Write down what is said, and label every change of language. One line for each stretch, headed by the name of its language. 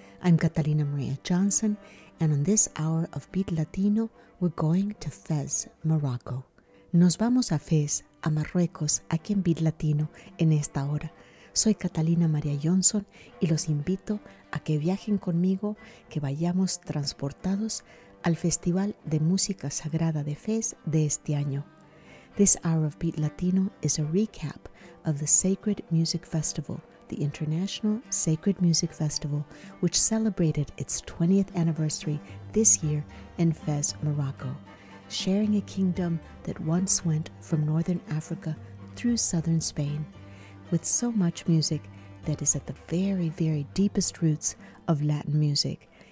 English: I'm Catalina Maria Johnson, and on this hour of Beat Latino, we're going to Fez, Morocco.
Spanish: Nos vamos a Fez, a Marruecos, aquí en Beat Latino, en esta hora. Soy Catalina Maria Johnson y los invito a que viajen conmigo, que vayamos transportados al Festival de Música Sagrada de Fez de este año.
English: This Hour of Beat Latino is a recap of the Sacred Music Festival, the International Sacred Music Festival, which celebrated its 20th anniversary this year in Fez, Morocco, sharing a kingdom that once went from northern Africa through southern Spain, with so much music that is at the very, very deepest roots of Latin music.